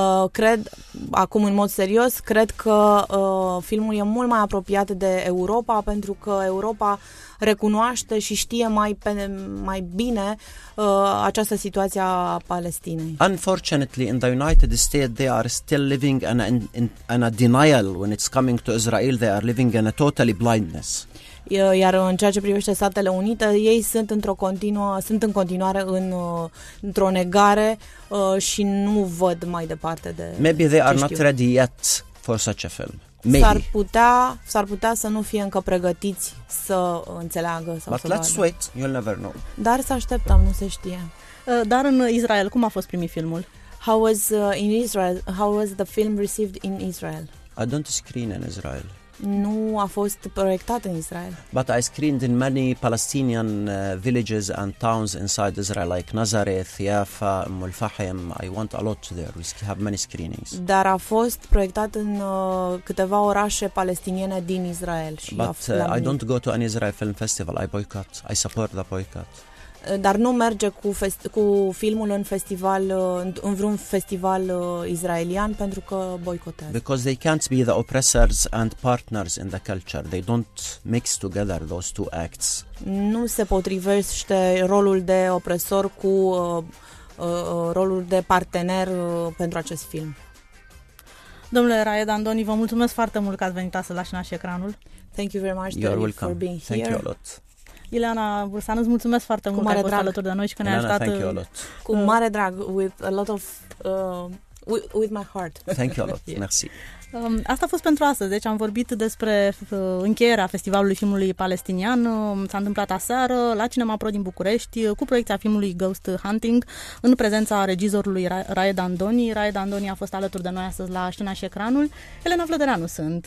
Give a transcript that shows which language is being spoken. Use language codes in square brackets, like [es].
[ro] Cred, acum în mod serios, cred că filmul e mult mai apropiat de Europa, pentru că Europa recunoaște și știe mai bine această situație a Palestinei. [en] Unfortunately, in the United States, they are still living in a denial when it's coming to Israel. They are living in a totally blindness. [ro] Iar în ceea ce privește Statele Unite, ei sunt într-o continuare într-o negare și nu văd mai departe de. [en] Maybe they are not ready yet for such a film. Maybe. [ro] S-ar putea să nu fie încă pregătiți să înțeleagă sau [en] But [ro] să. [en] But let's [ro] vadă. [en] Wait, you'll never know. [ro] Dar să așteptăm, nu se știe. Dar în Israel, cum a fost primit filmul? [en] How was the film received in Israel? I don't screen in Israel. [ro] Nu a fost proiectat în Israel. [en] But I screened in many Palestinian villages and towns inside Israel, like Nazareth, Yaffa, Mulfahim. I went a lot there. We have many screenings. [ro] Dar a fost proiectat în câteva orașe palestiniene din Israel. Și [en] But I don't go to an Israel film festival. I boycott. I support the boycott. [ro] Dar nu merge cu filmul în festival, în vreun festival israelian, pentru că boicotează. [en] Because they can't be the oppressors and partners in the culture. They don't mix together those two acts. [ro] Nu se potrivește rolul de opresor cu rolul de partener pentru acest film. Domnule Raed Andoni, vă mulțumesc foarte mult că ați venit astăzi la Și Naș Ecranul. [en] Thank you very much. You're welcome. For being here. Thank you a lot. [ro] Ileana Bursan, îți mulțumesc foarte mult că ai fost alături de noi și că ne-ai ajutat. [en] Thank you a lot. [ro] Cu mare drag, [en] with a lot of with my heart. Thank you a lot. Merci. [ro] Asta a fost pentru astăzi. Deci am vorbit despre încheierea Festivalului Filmului Palestinian. S-a întâmplat aseară la Cinema Pro din București cu proiecția filmului Ghost Hunting în prezența regizorului Raed Andoni. Raed Andoni a fost alături de noi astăzi la Scena și Ecranul. Elena Vlădăreanu sunt.